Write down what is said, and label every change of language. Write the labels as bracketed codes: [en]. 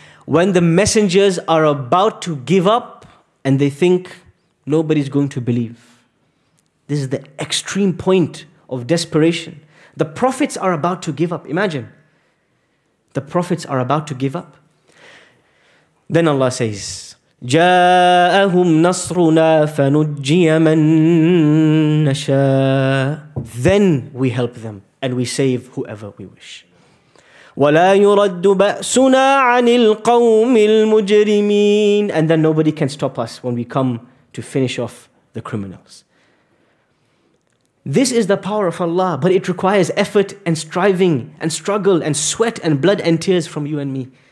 [en] When the messengers are about to give up and they think nobody's going to believe. This is the extreme point of desperation. The prophets are about to give up. Imagine. The prophets are about to give up. Then Allah says, [ar] جَاءَهُمْ نَصْرُنَا فَنُجِّيَ مَن نَشَاءُ. [en] Then we help them and we save whoever we wish. [ar] وَلَا يُرَدُّ بَأْسُنَا عَنِ الْقَوْمِ الْمُجْرِمِينَ. [en] And then nobody can stop us when we come to finish off the criminals. This is the power of Allah, but it requires effort and striving and struggle and sweat and blood and tears from you and me.